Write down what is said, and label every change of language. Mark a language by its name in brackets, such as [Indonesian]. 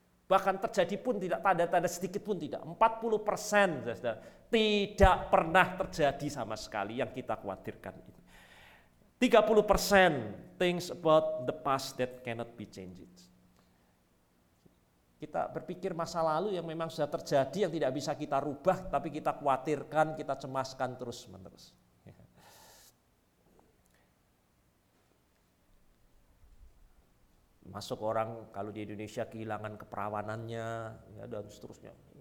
[Indonesian] Bahkan terjadi pun tidak, tanda-tanda sedikit pun tidak. 40% tidak pernah terjadi sama sekali yang kita khawatirkan. [English] 30% things about the past that cannot be changed. [Indonesian] Kita berpikir masa lalu yang memang sudah terjadi, yang tidak bisa kita rubah, tapi kita khawatirkan, kita cemaskan terus-menerus. Masuk orang kalau di Indonesia kehilangan keperawanannya, ya, dan seterusnya.